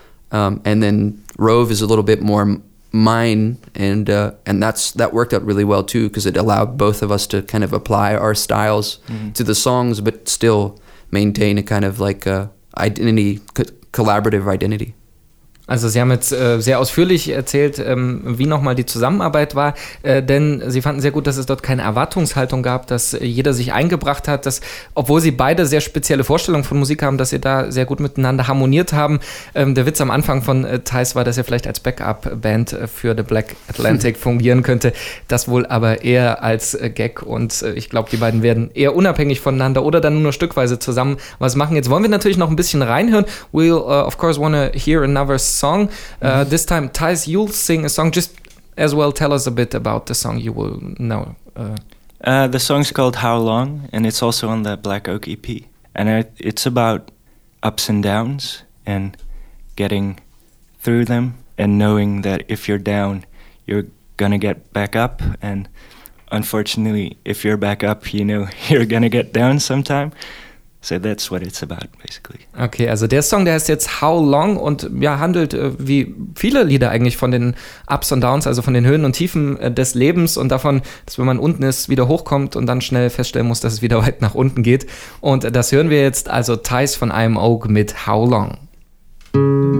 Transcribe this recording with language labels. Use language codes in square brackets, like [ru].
[en] And then Rove is a little bit more mine, and that worked out really well too, because it allowed both of us to kind of apply our styles to the songs but still maintain a kind of like identity, collaborative identity. [de] Also Sie haben jetzt sehr ausführlich erzählt, wie nochmal die Zusammenarbeit war, denn Sie fanden sehr gut, dass es dort keine Erwartungshaltung gab, dass jeder sich eingebracht hat, dass, obwohl Sie beide sehr spezielle Vorstellungen von Musik haben, dass Sie da sehr gut miteinander harmoniert haben. Der Witz am Anfang von Thijs war, dass er vielleicht als Backup-Band für The Black Atlantic fungieren könnte, das wohl aber eher als Gag, und ich glaube, die beiden werden eher unabhängig voneinander oder dann nur stückweise zusammen was machen. Jetzt wollen wir natürlich noch ein bisschen reinhören. [en] We'll of course wanna hear another song. This time, Thijs, you'll sing a song. Just as well, tell us a bit about the song you will know. The song's called How Long, and it's also on the Black Oak EP. And it's about ups and downs and getting through them and knowing that if you're down, you're gonna get back up. And unfortunately, if you're back up, you know you're gonna get down sometime. So that's what it's about, basically. [de] Okay, also der Song, der heißt jetzt How Long und ja, handelt wie viele Lieder eigentlich von den Ups und Downs, also von den Höhen und Tiefen des Lebens und davon, dass wenn man unten ist, wieder hochkommt und dann schnell feststellen muss, dass es wieder weit nach unten geht. Und das hören wir jetzt, also Thijs von I Am Oak mit How Long.